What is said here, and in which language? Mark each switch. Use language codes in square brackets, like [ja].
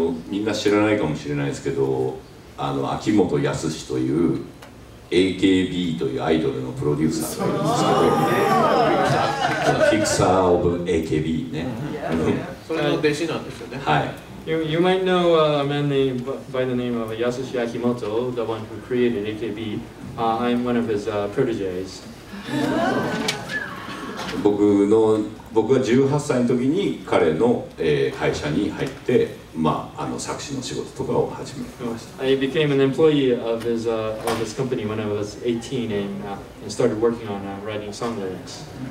[ja] みんな知らないかもしれないですけど、秋元康というAKB というアイドルのプロデューサーがいるんですけど、ね、フィクサー・オブ・ AKB ね。それの弟子なんですよね。はい。 [en] You might know a man named by the name of Yasushi Akimoto, the one who created AKB. I'm one of his proteges. [ja] 僕は18歳の時に彼の、会社に入って、まあ、作詞の仕事とかを始めました。 [en] I became an employee of his company when I was 18 and started working on writing song lyrics.